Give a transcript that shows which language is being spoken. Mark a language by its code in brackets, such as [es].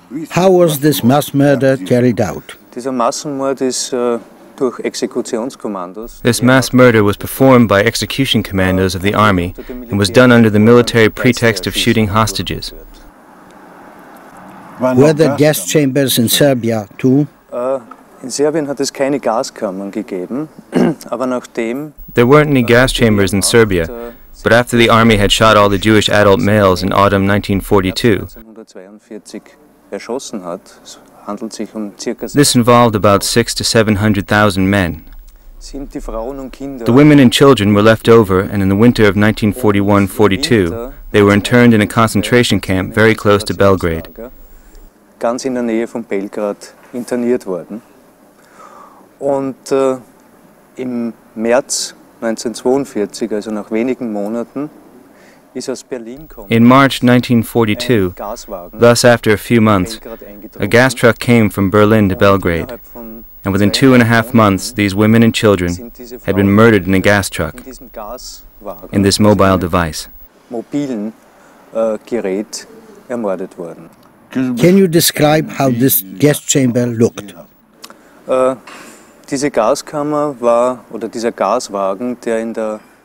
[en] How was this mass murder carried out? This mass murder was performed by execution commandos of the army and was done under the military pretext of shooting hostages. Were there gas chambers in Serbia too? [de] In Serbien hat es keine Gaskammern gegeben, aber nachdem [en] there weren't any gas chambers in Serbia, but after the army had shot all the Jewish adult males in autumn 1942, [de] erschossen hat. [en] This involved about 600,000 to 700,000 men. The women and children were left over, and in the winter of 1941-42, they were interned in a concentration camp very close to Belgrade. [de] Ganz in der Nähe von Belgrad interniert worden. Und im März 1942, also nach wenigen Monaten, [en] in March 1942, thus after a few months, a gas truck came from Berlin to Belgrade, and within 2.5 months, these women and children had been murdered in a gas truck, in this mobile device. Can you describe how this gas chamber looked? [de] Diese Gaskammer war, oder dieser Gaswagen, der in der